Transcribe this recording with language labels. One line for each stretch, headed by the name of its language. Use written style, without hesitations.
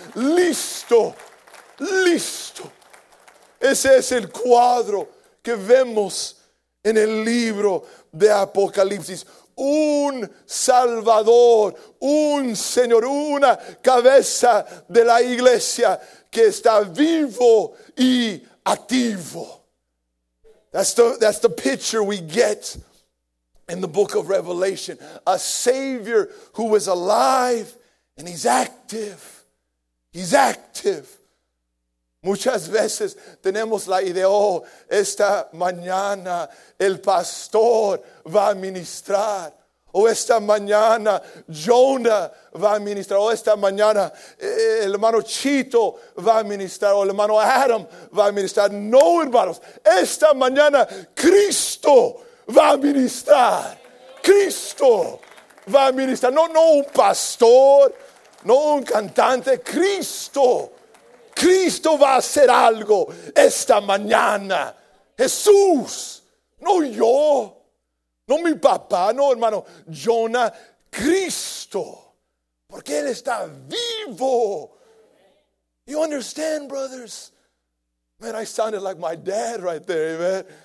Spanish: Listo, listo. Ese es el cuadro que vemos en el libro de Apocalipsis. Un Salvador, un Señor, una cabeza de la iglesia que está vivo y activo.
English: That's the picture we get in the book of Revelation. A Savior who is alive and he's active. He's active.
Spanish: Muchas veces tenemos la idea, oh, esta mañana el pastor va a ministrar. O esta mañana Jonah va a ministrar. O esta mañana el hermano Chito va a ministrar. O el hermano Adam va a ministrar. No, hermanos. Esta mañana Cristo va a ministrar. Cristo va a ministrar. No, no un pastor. No un cantante. Cristo. Cristo va a hacer algo esta mañana. Jesús. No yo. No mi papá, no hermano, Jonah, Cristo, porque Él está vivo.
English: You understand, brothers? Man, I sounded like my dad right there, man.